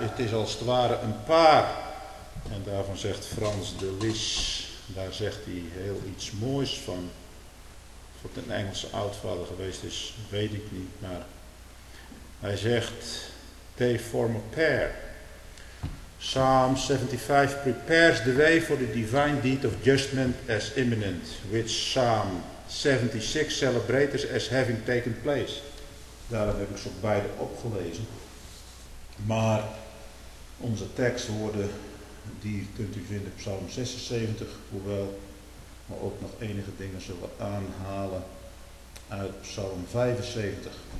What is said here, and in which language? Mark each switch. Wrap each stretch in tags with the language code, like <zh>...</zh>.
<nl>Het is als het ware een paar. En daarvan zegt Frans de Lis. Daar zegt hij heel iets moois van. Of het een Engelse oudvader geweest is, weet ik niet. Maar hij zegt,</nl> <en>they form a pair. Psalm 75 prepares the way for the divine deed of judgment as imminent, which Psalm 76 celebrates as having taken place.</en> <nl>Daarom heb ik ze beide opgelezen. Maar onze tekstwoorden, die kunt u vinden op Psalm 76, hoewel we ook nog enige dingen zullen aanhalen uit Psalm 75.</nl>